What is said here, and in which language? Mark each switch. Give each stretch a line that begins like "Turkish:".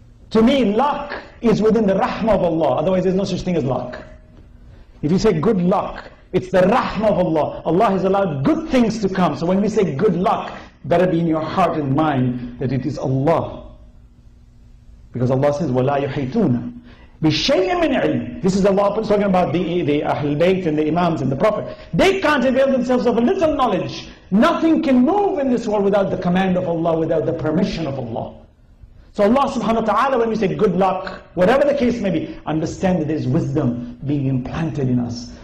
English: To me, luck is within the rahmah of Allah, otherwise there's no such thing as luck. If you say good luck, it's the rahmah of Allah. Allah has allowed good things to come. So when we say good luck, better be in your heart and mind that it is Allah. Because Allah says,
Arabic: وَلَا يُحَيْتُونَ بِشَيْءٍ مِنْ عِلْمٍ.
English: This is Allah talking about the Ahlul Bayt and the Imams and the Prophet. They can't avail themselves of a little knowledge. Nothing can move in this world without the command of Allah, without the permission of Allah. So Allah subhanahu wa ta'ala, when we say good luck, whatever the case may be, understand that there's wisdom being implanted in us.